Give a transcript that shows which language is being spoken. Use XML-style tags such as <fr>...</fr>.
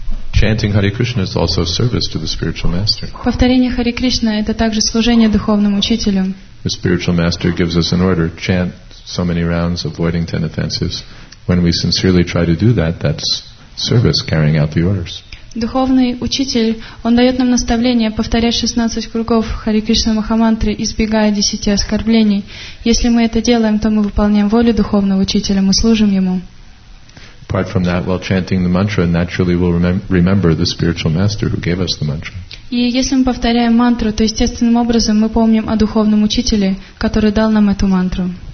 <en>Chanting Hare Krishna is also service to the spiritual master.</en> <ru>Повторение Хари Кришна это также служение духовному учителю.</ru> <en>The spiritual master gives us an order: chant so many rounds, avoiding 10 offenses. When we sincerely try to do that, that's service, carrying out the orders.</en> <ru>Духовный учитель, он дает нам наставление повторять 16 кругов Хари Кришна Махамантры, избегая 10 оскорблений. Если мы это делаем, то мы выполняем волю духовного учителя, мы служим ему.</ru> <en>Apart from that, while chanting the mantra, naturally we'll remember the spiritual master who gave us the mantra.</en> <ru>И если мы повторяем мантру, то естественным образом мы помним о духовном учителе, который дал нам эту мантру.</ru>